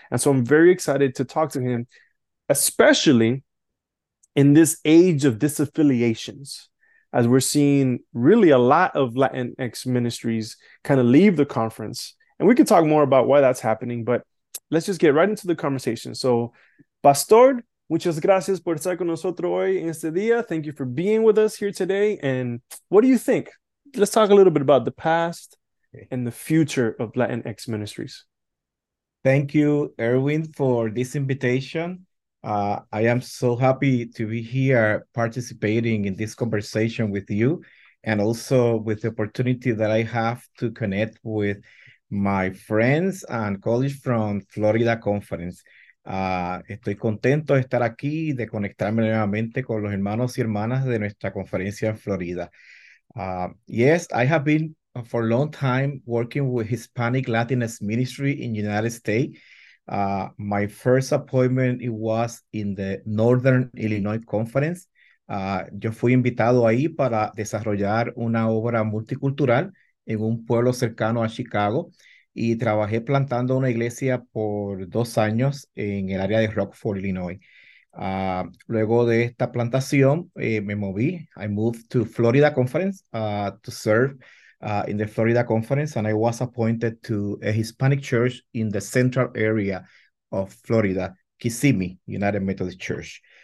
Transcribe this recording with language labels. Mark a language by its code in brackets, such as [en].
[en] And so I'm very excited to talk to him, especially in this age of disaffiliations, as we're seeing really a lot of Latinx ministries kind of leave the conference. And we could talk more about why that's happening, but let's just get right into the conversation. So, [es] Pastor, muchas gracias por estar con nosotros hoy en este día. [en] Thank you for being with us here today. And what do you think? Let's talk a little bit about the past and the future of Latinx ministries. Thank you, Erwin, for this invitation. I am so happy to be here participating in this conversation with you, and also with the opportunity that I have to connect with my friends and colleagues from Florida Conference. [es] Estoy contento de estar aquí y de conectarme nuevamente con los hermanos y hermanas de nuestra conferencia en Florida. [en] Yes, I have been for a long time working with Hispanic Latinx Ministry in United States. My first appointment, it was in the Northern Illinois Conference. [es] Yo fui invitado ahí para desarrollar una obra multicultural en un pueblo cercano a Chicago, y trabajé plantando una iglesia por 2 años en el área de Rockford, Illinois. Luego de esta plantación, me moví. [en] I moved to Florida Conference to serve in the Florida Conference, and I was appointed to a Hispanic church in the central area of Florida, Kissimmee, United Methodist Church.